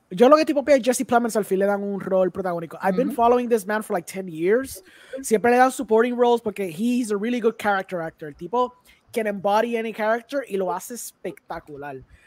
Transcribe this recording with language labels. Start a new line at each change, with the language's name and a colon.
Spanish: Yo lo que estoy pompeado es Jesse Plemons al fin le dan un rol protagónico.
English: I've been following this man for like 10 years.
Spanish: Siempre le dan supporting roles porque
English: he's a really good character actor.
Spanish: El tipo
English: can embody any character
Spanish: y lo hace espectacular.